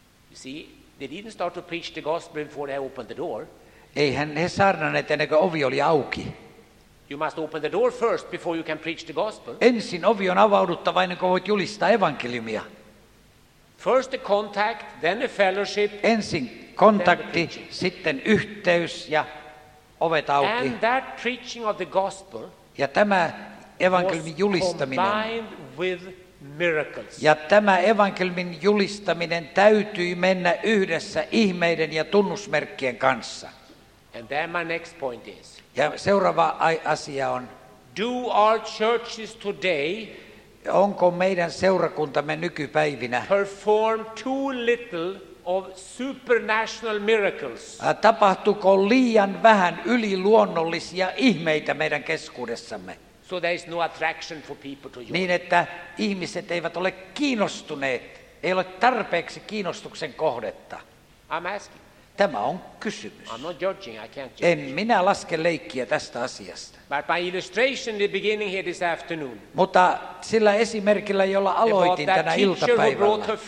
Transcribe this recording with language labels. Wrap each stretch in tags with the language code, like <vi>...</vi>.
<en>You see, they didn't start to preach the gospel before they opened the door.</en> <fi>Eihän he saarnanneet ennen kuin ovi oli auki.</fi> <en>You must open the door first before you can preach the gospel.</en> <fi>Ensin ovi on avauduttava ennen kuin voit julistaa evankeliumia.</fi> <en>First the contact, then the fellowship.</en> <fi>Ensin kontakti,</fi> <en>then the preaching.</en> <fi>Sitten yhteys ja ovet auki.</fi> <en>And that preaching of the gospel.</en> <fi>Ja tämä evankeliumin julistaminen.</fi> <en>Was combined with miracles.</en> <fi>Ja tämä evankeliumin julistaminen täytyy mennä yhdessä ihmeiden ja tunnusmerkkien kanssa.</fi> <en>And then my next point is.</en> <fi>Ja seuraava asia on.</fi> <en>Do our churches today?</en> <fi>Onko meidän seurakuntamme nykypäivinä</fi> <en>perform too little of supernatural miracles?</en> <fi>Tapahtuuko liian vähän yliluonnollisia ihmeitä meidän keskuudessamme?</fi> <en>So there is no attraction for people to you.</en> <fi>Niin että ihmiset eivät ole kiinnostuneet, ei ole tarpeeksi kiinnostuksen kohdetta.</fi> <en>I'm asking.</en> <fi>Tämä on kysymys.</fi> <en>I'm not judging, I can't judge.</en> <fi>En minä laske leikkiä tästä asiasta.</fi> <en>But by illustration, the beginning here this afternoon.</en> <fi>Mutta sillä esimerkillä, jolla aloitin tänä iltapäivällä.</fi>